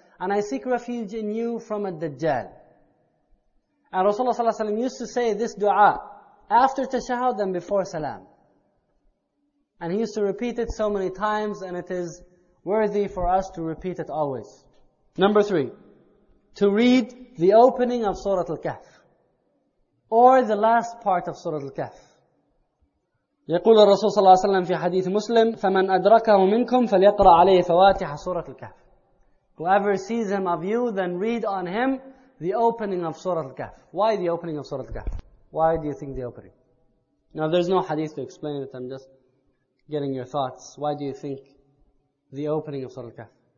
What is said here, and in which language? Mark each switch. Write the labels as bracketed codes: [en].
[en] And I seek refuge in you from a Dajjal. And Rasulullah sallallahu alayhi wa sallam used to say this dua after tashahud and before salam. And he used to repeat it so many times, and it is worthy for us to repeat it always. Number three, to read the opening of Surah Al-Kahf or the last part of Surah Al-Kahf. [ar] يقول الرسول صلى الله عليه وسلم في حديث مسلم فمن أدركه منكم فليقرأ عليه فواتح سورة الكهف. [en] Whoever sees him of you, then read on him the opening of Surah Al-Kahf. Why the opening of Surah Al-Kahf? Why do you think the opening? Now there's no hadith to explain it. I'm just getting your thoughts. Why do you think the opening of Surah Al-Kahf?